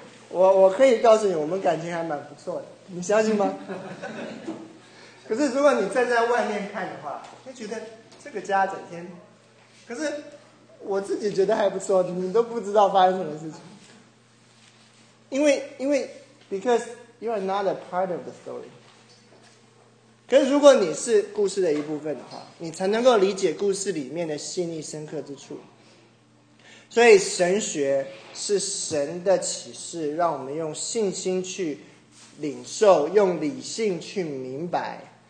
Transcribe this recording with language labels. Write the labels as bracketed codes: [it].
[zh] 我可以告诉你，我们感情还蛮不错的，你相信吗？可是如果你站在外面看的话，你觉得这个家整天，可是我自己觉得还不错，你都不知道发生什么事情。因为 [en] because you are not a part of the story。 [zh] 可是如果你是故事的一部分的话，你才能够理解故事里面的细腻深刻之处。所以神学是神的启示，让我们用信心去领受，用理性去明白。